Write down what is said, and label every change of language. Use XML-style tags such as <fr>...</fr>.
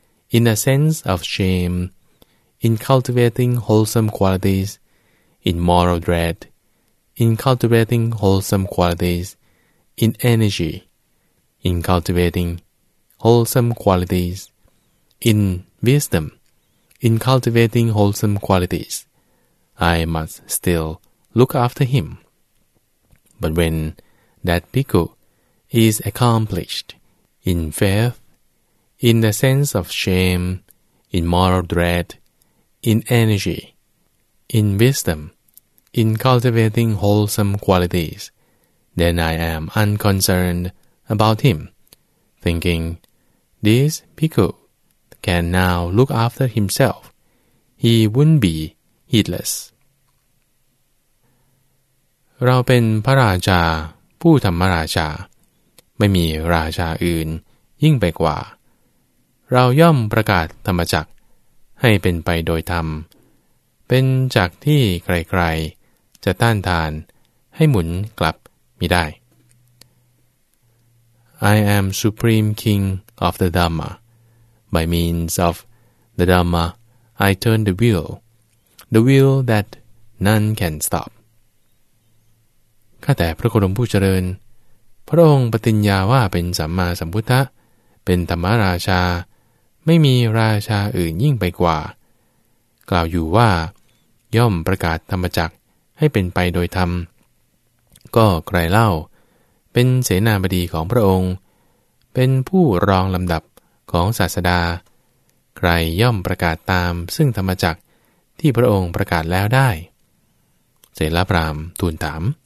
<en>in a sense of shame, in cultivating wholesome qualities, in moral dread, in cultivating wholesome qualities, in energy,in cultivating wholesome qualities, in wisdom, in cultivating wholesome qualities, I must still look after him. But when that bhikkhu is accomplished in faith, in the sense of shame, in moral dread, in energy, in wisdom, in cultivating wholesome qualities, then I am unconcernedabout him, thinking, this bhikkhu can now look after himself. He wouldn't be heedless.</en> <th>เราเป็นพระราชาผู้ธรรมราชาไม่มีราชาอื่นยิ่งไปกว่าเราย่อมประกาศธรรมจักรให้เป็นไปโดยธรรมเป็นจักรที่ใครๆจะต้านทานให้หมุนกลับมิได้</th> <en>I am supreme king of the Dhamma. By means of the Dhamma, I turn the wheel that none can stop.</en> <th>ข้าแต่พระโคดมผู้เจริญพระองค์ปฏิญญาว่าเป็นสัมมาสัมพุทธะเป็นธรรมราชาไม่มีราชาอื่นยิ่งไปกว่ากล่าวอยู่ว่าย่อมประกาศธรรมจักรให้เป็นไปโดยธรรมก็ใครเล่าเป็นเสนาบดีของพระองค์เป็นผู้รองลำดับของศาสดาใครย่อมประกาศตามซึ่งธรรมจักรที่พระองค์ประกาศแล้วได้เสลพราหมณ์ทูลถาม</th>